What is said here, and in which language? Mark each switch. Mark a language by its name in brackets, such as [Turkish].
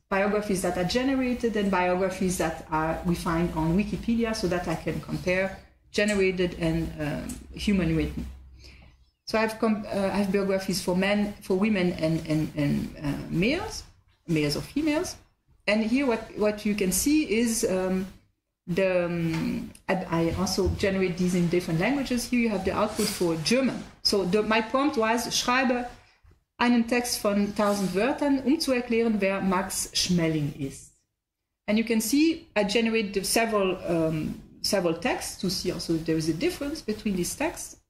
[English] Biographies that are generated and biographies that we find on Wikipedia so that I can compare generated and human written. So I have biographies for men, for women, and males or females. And here what you can see is I also generate these in different languages. Here you have the output for German. So my prompt was, [German] schreibe einen Text von 1000 Wörtern, zu erklären, wer Max Schmeling ist. [English] And you can see I generate several texts to see also if there is a difference between these texts.